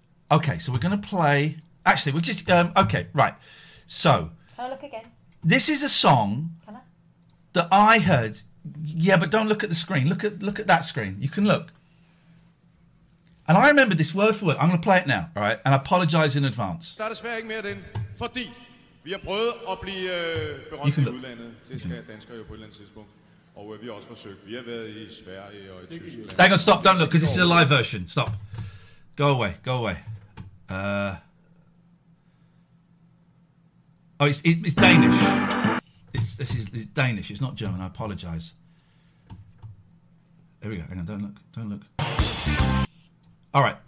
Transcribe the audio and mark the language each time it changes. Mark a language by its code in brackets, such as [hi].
[en] okay, so we're going to play... Actually, we're just... okay, right. So... Can I look again? This is a song... Can I? ...that I heard... Yeah, but don't look at the screen. Look at that screen. You can look. And I remember this word for word. I'm going to play it now, all right? And I apologise in advance. [da] Der desværre ikke mere den, fordi vi har prøvet at blive berømt i udlandet. Det skal danskere jo på et eller andet tidspunkt. Og vi har også forsøgt. Vi har været i Sverige og i Tyskland. [en] Hang on, stop. Don't look, because this is a live version. Stop. Go away. It's Danish. This is Danish. It's not German. I apologise. There we go. Hang on. Don't look. All right.